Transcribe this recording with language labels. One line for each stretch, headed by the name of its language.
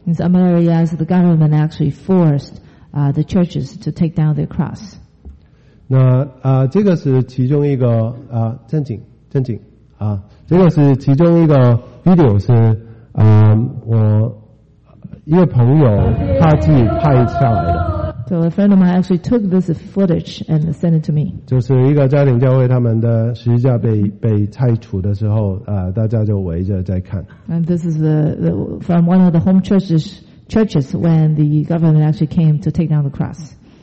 English: In some areas, the government actually forced the churches to take down their cross.
Chinese: 那这个是其中一个正经这个是其中一个 video 是我一个朋友他自己拍下来的。
English: So a friend of mine actually took this footage and sent it to me.
Chinese: 就是一个家庭教会，他们的十字架被拆除的时候，大家就围着在看。
English: And this is from one of the home churches when the government actually came to take down the cross.